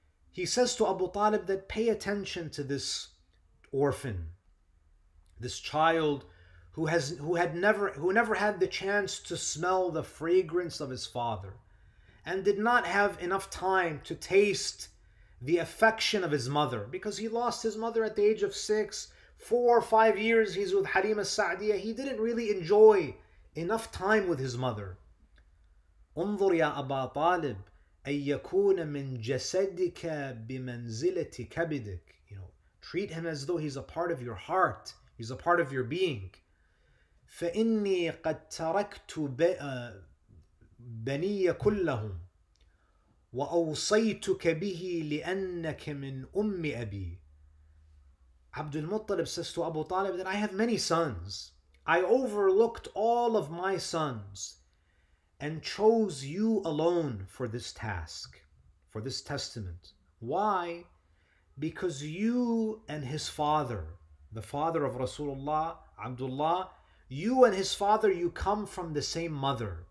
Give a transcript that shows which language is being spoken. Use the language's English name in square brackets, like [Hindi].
[English] He says to Abu Talib that pay attention to this orphan, this child who never had the chance to smell the fragrance of his father and did not have enough time to taste the affection of his mother, because he lost his mother at the age of 6, 4 or 5 years. He's with Halima Sa'diyah. He didn't really enjoy enough time with his mother. [Arabic] انظر يا أبا طالب أن يكون من جسدك بمنزلة كبدك. [English] You know, treat him as though he's a part of your heart. He's a part of your being. [Arabic] فإني قد تركت بني كلهم وأوصيتك به لأنك من أم أبي. [English] عبد المطلب says to Abu Talib that I have many sons. I overlooked all of my sons and chose you alone for this task, for this testament. Why? Because you and his father, the father of Rasulullah, Abdullah, you and his father, you come from the same mother.